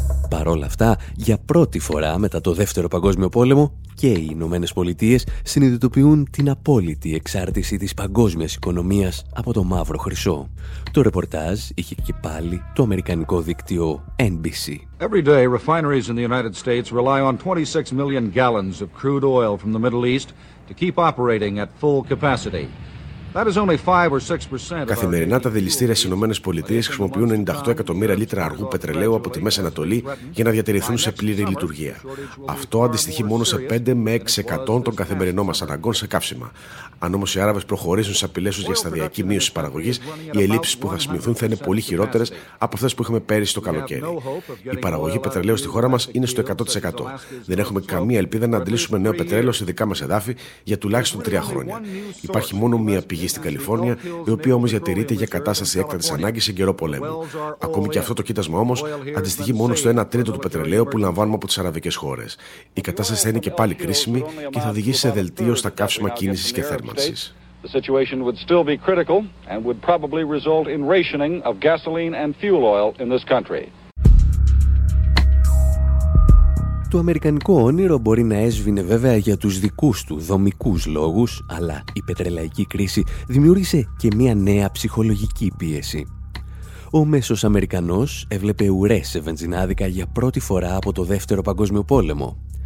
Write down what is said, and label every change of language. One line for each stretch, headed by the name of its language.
Greek: Παρ' όλα αυτά, για πρώτη φορά μετά το Δεύτερο Παγκόσμιο Πόλεμο και οι Ηνωμένες Πολιτείες συνειδητοποιούν την απόλυτη εξάρτηση της παγκόσμιας οικονομίας από το μαύρο χρυσό. Το ρεπορτάζ είχε και πάλι το αμερικανικό δίκτυο NBC.
English: Every day, refineries in the United States rely on 26 million gallons of crude oil from the Middle East to keep operating at full capacity.
Greek: Καθημερινά τα δηληστήρια στις ΗΠΑ χρησιμοποιούν 98 εκατομμύρια λίτρα αργού πετρελαίου από τη Μέση Ανατολή για να διατηρηθούν σε πλήρη λειτουργία. Αυτό αντιστοιχεί μόνο σε 5 με 6% των καθημερινών μας αναγκών σε καύσιμα. Αν όμως οι Άραβες προχωρήσουν σε απειλές για σταδιακή μείωση παραγωγής, οι ελλείψεις που θα σμηθούν θα είναι πολύ χειρότερες από αυτές που είχαμε πέρυσι το καλοκαίρι. Η παραγωγή πετρελαίου στη χώρα μας είναι στο 100%. Δεν έχουμε καμία ελπίδα να αντλήσουμε νέο πετρέλαιο σε δικά μας εδάφη για τουλάχιστον 3 χρόνια. Υπάρχει μόνο μία πηγή στην Καλιφόρνια, η οποία όμως διατηρείται για κατάσταση έκτακτης ανάγκης σε καιρό πολέμου. Ακόμη και αυτό το κοίτασμα όμως αντιστοιχεί μόνο στο 1/3 του πετρελαίου που λαμβάνουμε από τις αραβικές χώρες. Η κατάσταση θα είναι και πάλι κρίσιμη και θα οδηγήσει σε δελτίο στα καύσιμα κίνησης και θέρμανσης.
English: The situation would still be critical and would probably result in rationing of gasoline and fuel oil in this country.
Greek: Το αμερικανικό όνειρο μπορεί να έσβηνε βέβαια για τους δικούς του δομικούς λόγους, αλλά η πετρελαϊκή κρίση δημιούργησε και μια νέα ψυχολογική πίεση. Ο μέσος Αμερικανός έβλεπε ουρές σε βενζινάδικα για πρώτη φορά από το Δεύτερο Παγκόσμιο Πόλεμο.